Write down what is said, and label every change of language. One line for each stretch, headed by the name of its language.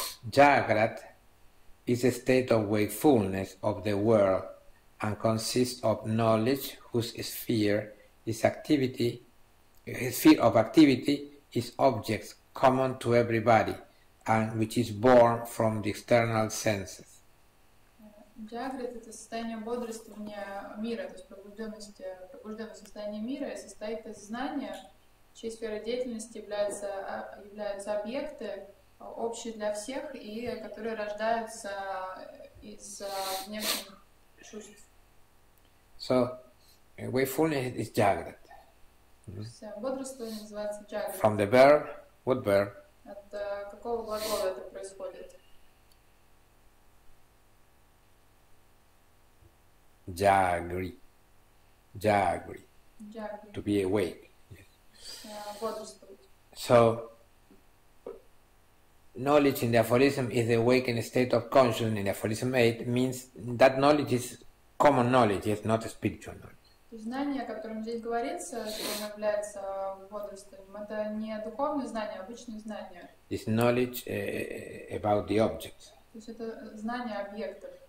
English: Jagrat is a state of wakefulness of the world and consists of knowledge whose sphere is activity, sphere of activity is objects common to everybody and which is born from the external senses.
Russian: Джаграт – это состояние бодрствования мира, то есть пробужденное состояние мира, и состоит из знания, чьей сфера деятельности являются объекты, общие для всех, и которые рождаются из внешних чувств.
English: So, wakefulness is jagrat.
Russian: Бодрствование называется джаграт.
English: From the verb, what verb?
Russian: От какого глагола это происходит?
Sanskrit: Jagri. Jagri. Jagri.
English: To be awake. Yes. So, knowledge in the aphorism is the awakened state of consciousness in the aphorism 8 means that knowledge is common knowledge, it's not a spiritual knowledge.
Russian: Знание, о котором здесь говорится, что оно является бодрствованием, это не духовное знание, а обычное знание.
English: It's knowledge about the object.
Russian: То есть это знание объектов.